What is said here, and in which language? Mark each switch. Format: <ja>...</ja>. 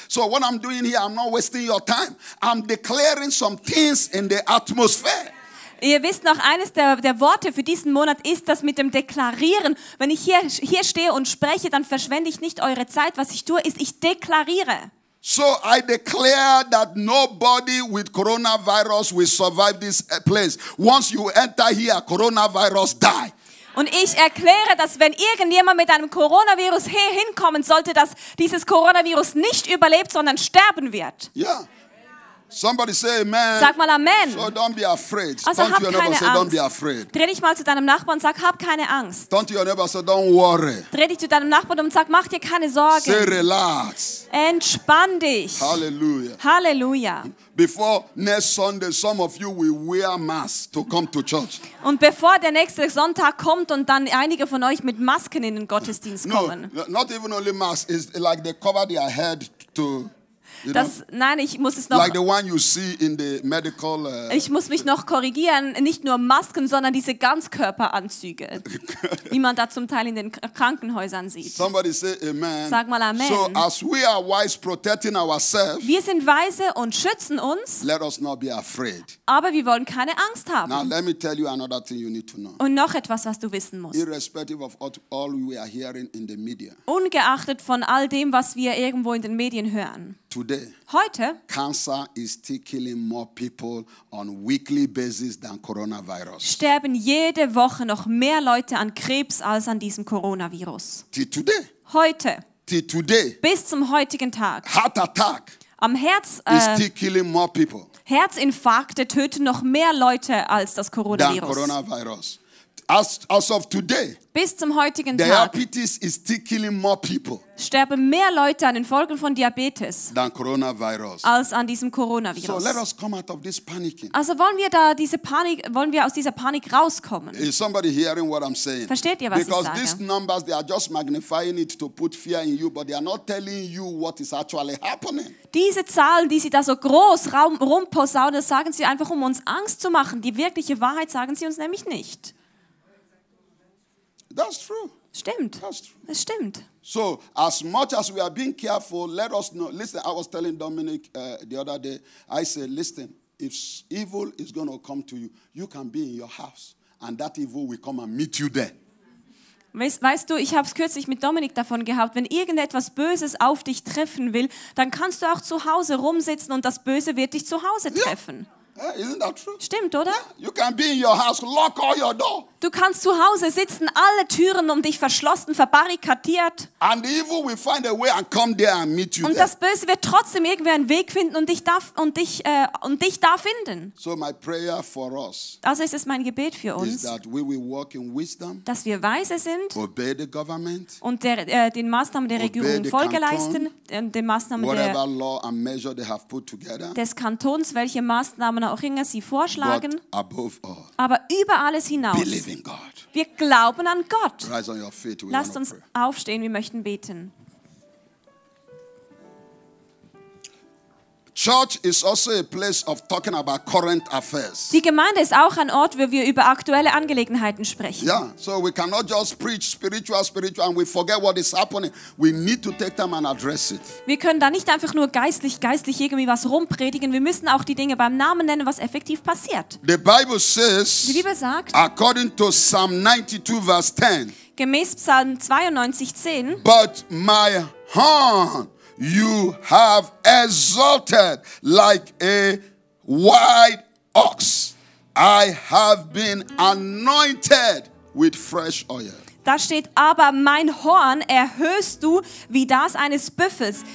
<en>So what I'm doing here, I'm not wasting your time. I'm declaring some things in the atmosphere.</en> <de>Ihr wisst noch, eines der Worte für diesen Monat ist das mit dem Deklarieren. Wenn ich hier stehe und spreche, dann verschwende ich nicht eure Zeit. Was ich tue, ist, ich deklariere.</de> <en>So I declare that nobody with coronavirus will survive this place. Once you enter here, coronavirus die.</en> <de>Und ich erkläre, dass wenn irgendjemand mit einem Coronavirus hier hinkommen sollte, dass dieses Coronavirus nicht überlebt, sondern sterben wird.</de> <en>Ja. Yeah. Somebody say amen.</en> <de>Sag mal amen.</de> <en>So don't be afraid.</en> <de>Also</de> <en>turn to your neighbor and say don't be afraid.</en> <de>Dreh dich mal zu deinem Nachbarn und sag hab keine Angst.</de> <en>Turn to your neighbor and say don't worry.</en> <de>Dreh dich zu deinem Nachbarn und sag mach dir keine Sorgen.</de> <en>Say relax.</en> <de>Entspann dich. Hallelujah. Hallelujah.</de> <en>Before next Sunday some of you will wear masks to come to church.</en> <de>Und bevor der nächste Sonntag kommt und dann einige von euch mit Masken in den Gottesdienst kommen.</de> <en>No, not even only masks, it's like they cover their head to</en> <de>ich muss mich noch korrigieren, nicht nur Masken, sondern diese Ganzkörperanzüge, wie man da zum Teil in den Krankenhäusern sieht.</de> <en>Somebody say amen.</en> <de>Sag mal amen.</de> <en>So, as we are wise protecting ourselves,</en> <de>wir sind weise und schützen uns,</de> <en>let us not be afraid.</en> <de>Aber wir wollen keine Angst haben.</de> <en>Now, let me tell you another thing you need to know.</en> <de>Und noch etwas, was du wissen musst.</de> <en>Irrespective of all we are hearing in the media.</en> <de>Ungeachtet von all dem, was wir irgendwo in den Medien hören. Heute,</de> <en>Cancer is still killing more people on weekly basis than coronavirus.</en> <de>Sterben jede Woche noch mehr Leute an Krebs als an diesem Coronavirus.</de> <en>Till today.</en> <de>Bis zum heutigen Tag.</de> <en>Heart attack.</en> <de>Am Herz.</de> <en>Is still killing more people.</en> <de>Herzinfarkte töten noch mehr Leute als das Coronavirus.</de> <en>Than coronavirus. As of today.</en> <de>Bis zum heutigen</de> <en>Tag. Diabetes is still killing more people.</en> <de>Sterben mehr Leute an den Folgen von Diabetes</de> <en>than coronavirus.</en> <de>Als an diesem Coronavirus.</de> <en>So let us come out of this panicking.</en> <de>Also wollen wir da diese Panik, wollen wir aus dieser Panik rauskommen?</de> <en>Is somebody hearing what I'm saying?</en> <de>Versteht ihr, was</de> <en>Because</en> <de>ich sage?</de> <en>Because these numbers, they are just magnifying it to put fear in you, but they are not telling you what is actually happening.</en> <de>Diese Zahlen, die sie da so groß rumposaunen, sagen sie einfach, um uns Angst zu machen. Die wirkliche Wahrheit sagen sie uns nämlich nicht.</de> <en>That's true.</en> <de>Stimmt.</de> <en>That's true.</en> <de>Es stimmt.</de> <en>So, as much as we are being careful, let us know. Listen, I was telling Dominic the other day, I said, listen, if evil is going to come to you, you can be in your house and that evil will come and meet you there.</en> <de>Weißt du, ich habe es kürzlich mit Dominik davon gehabt, wenn irgendetwas Böses auf dich treffen will, dann kannst du auch zu Hause rumsitzen und das Böse wird dich zu Hause treffen.</de> <en>Yeah. Yeah, isn't that true?</en> <de>Stimmt, oder?</de> <en>Yeah, you can be in your house, lock all your door.</en> <de>Du kannst zu Hause sitzen, alle Türen um dich verschlossen, verbarrikadiert.</de> <en>And evil will find a way and come there and meet you.</en> <de>Und das Böse wird trotzdem irgendwie einen Weg finden und dich da finden.</de> <en>So my prayer for us.</en> <de>Also ist es mein Gebet für uns.</de> <en>Is that we will walk in wisdom.</en> <de>Dass wir weise sind.</de> <en>Obey the government.</en> <de>Und den Maßnahmen der Regierung Folge leisten. Den Maßnahmen</de> <en>whatever law and measure they have put together.</en> <de>Des Kantons, welche Maßnahmen auch immer sie vorschlagen,</de> <en>all,</en> <de>aber über alles hinaus, wir glauben an Gott. Lasst uns aufstehen, wir möchten beten.</de> <en>Church is also a place of talking about current affairs.</en> <de>Die Gemeinde ist auch ein Ort, wo wir über aktuelle Angelegenheiten sprechen.</de> <en>Yeah, so we cannot just preach spiritual and we forget what is happening. We need to take time and address it.</en> <de>Wir können da nicht einfach nur geistlich irgendwie was rumpredigen, wir müssen auch die Dinge beim Namen nennen, was effektiv passiert.</de> <en>The Bible says,</en> <de>die Bibel sagt,</de> <en>according to Psalm 92 verse 10.</en> <de>Gemäß Psalm 92, 10.</de> <en>But my horn you have exalted like a wild ox. I have been anointed with fresh oil.</en> <de>Da steht aber, mein Horn erhöhst du wie das eines Büffels.</de>